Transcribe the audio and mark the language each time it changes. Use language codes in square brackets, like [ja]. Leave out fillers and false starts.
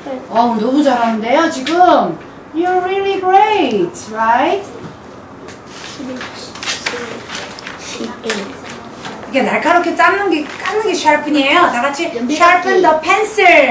[ko] 어, 너무 잘하는데요, 지금? [en] You're really great, right? [ko] 이게 날카롭게 짜는 게, 깎는 게 sharpen이에요. 다 같이 [en] sharpen the pencil.